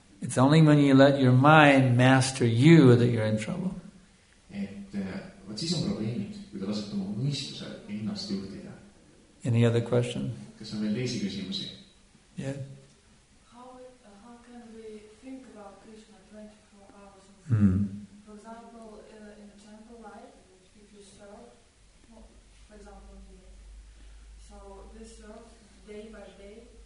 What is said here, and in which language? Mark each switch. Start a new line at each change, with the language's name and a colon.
English: it's only when you let your mind master you that you're in trouble.
Estonian: Et siis on probleemid, kui te lasete oma mõistuse ennast juhtida.
English: Any other question?
Estonian: Kas on veel teisi küsimusi?
English: Yeah. How can we think about Krishna 24 hours? For example, in a temple life, if you serve, for example, here. So this serve day by day,